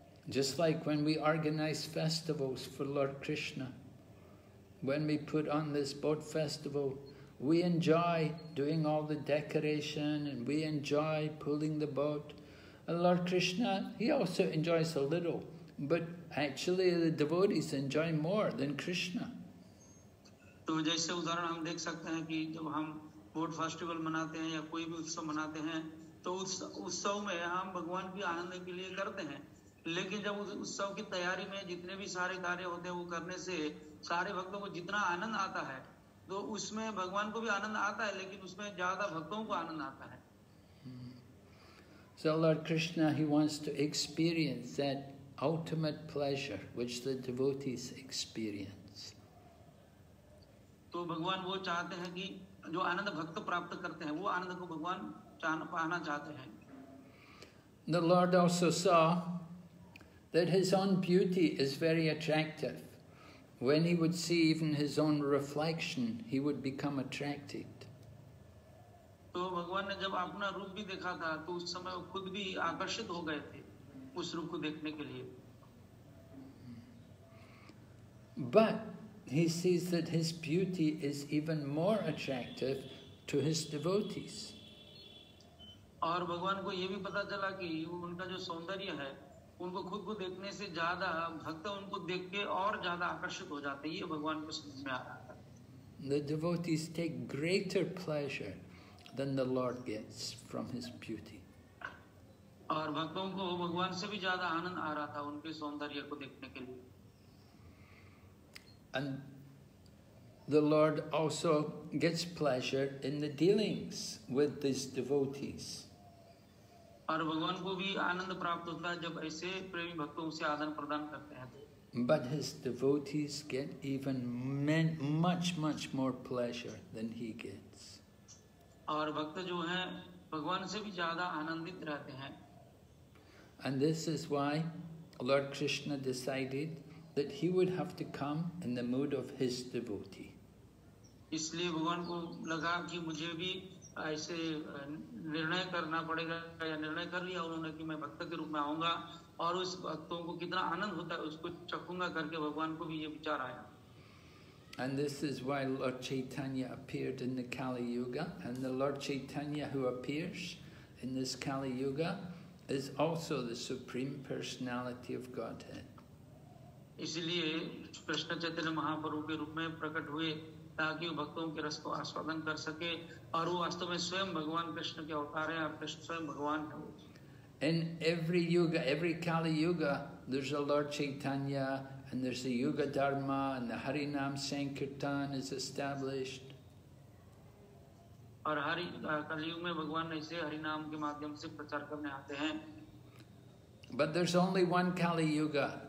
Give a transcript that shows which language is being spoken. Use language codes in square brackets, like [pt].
[en] Just like when we organize festivals for Lord Krishna, when we put on this boat festival, we enjoy doing all the decoration and we enjoy pulling the boat. And Lord Krishna, he also enjoys a little, but actually the devotees enjoy more than Krishna. [hi] So, जैसे उदाहरण हम देख सकते हैं कि जब हम boat festival मनाते हैं या कोई भी उत्सव मनाते हैं, तो उस उत्सव में हम भगवान की आनंद के लिए करते हैं। लेकिन जब उत्सव की तैयारी में जितने भी सारे कार्य होते हैं, वो करने से सारे भक्तों को जितना आनंद आता है, तो उसमें भगवान को भी आनंद आता है, लेकिन उसमें ज्यादा भक्तों को आनंद आता है। [en] So Lord Krishna, he wants to experience that ultimate pleasure which the devotees experience. [hi] तो भगवान वो चाहते हैं कि जो आनंद भक्त प्राप्त करते हैं, वो आनंद को भगवान पाना चाहते हैं। [en] The Lord also saw that his own beauty is very attractive. When he would see even his own reflection, he would become attracted. [hi] तो भगवान ने जब अपना रूप भी देखा था तो उस समय वो खुद भी आकर्षित हो गए थे उस रूप को देखने के लिए [en] But he sees that his beauty is even more attractive to his devotees. [hi] और भगवान को ये भी पता चला कि उनका जो सौंदर्य है उनको खुद को देखने से ज्यादा भक्त उनको देख के और ज्यादा आकर्षित हो जाते हैं ये भगवान को समझ में आ रहा था [en] The devotees take greater pleasure than the Lord gets from his beauty. [hi] और भक्तों को भगवान से भी ज्यादा आनंद आ रहा था उनके सौंदर्य को देखने के लिए. [en] And the Lord also gets pleasure in the dealings with these devotees. [hi] और भगवान को भी आनंद प्राप्त होता है जब ऐसे प्रेमी भक्तों से आदान प्रदान करते हैं. [en] But his devotees get even much, much more pleasure than he gets. [hi] और भक्त जो हैं भगवान से भी ज्यादा आनंदित रहते हैं [en] And this is why Lord Krishna decided that he would have to come in the mood of his devotee [hi] इसलिए भगवान को लगा कि मुझे भी ऐसे निर्णय करना पड़ेगा या निर्णय कर लिया उन्होंने कि मैं भक्त के रूप में आऊंगा और उस भक्तों को कितना आनंद होता है उसको चखूंगा करके भगवान को भी ये विचार आया [en] And this is why Lord Chaitanya appeared in the Kali Yuga. And the Lord Chaitanya who appears in this Kali Yuga is also the Supreme Personality of Godhead. [hi] इसलिए कृष्ण चैतन्य महाप्रभु के रूप में प्रकट हुए ताकि भक्तों के रस को आस्वादन कर सके और वो वास्तव में स्वयं भगवान कृष्ण के अवतार हैं और कृष्ण स्वयं भगवान हैं। [en] In every yuga, every Kali Yuga, there's a Lord Chaitanya, and there's the Yuga Dharma, and the Harinam Sankirtan is established. But there's only one Kali Yuga.